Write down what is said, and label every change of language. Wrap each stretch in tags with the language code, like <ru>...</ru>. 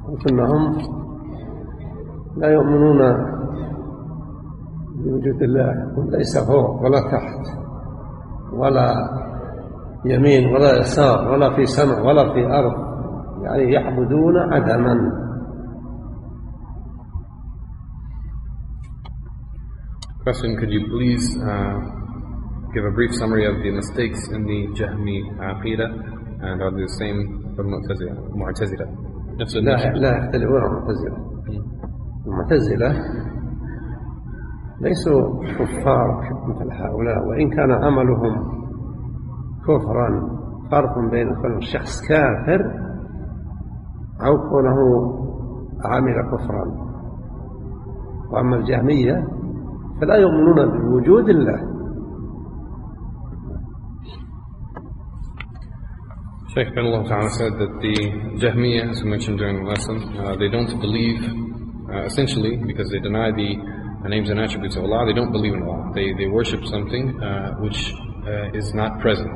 <ar>أنهم لا يؤمنون بوجود الله، ليس فوق ولا تحت ولا يمين ولا يسار ولا في سماء ولا في أرض، يعني يعبدون عدما.</ar> <en>Question: could you please give a brief summary of the mistakes in the Jahmi Aqidah and are the same for Mu'tazila?</en> <ar>لا يختلفون عن المعتزلة. المعتزلة ليسوا كفار مثل هؤلاء، وإن كان عملهم كفرا فرق بين كل شخص كافر أو كونه عمل كفرا. وأما الجهمية فلا يؤمنون بوجود الله.</ar> <en>Shaykh bin Allah Ta'ala said that the Jahmiyyah, as we mentioned during the lesson, they don't believe, essentially, because they deny the names and attributes of Allah, they don't believe in Allah. They worship something which is not present.</en>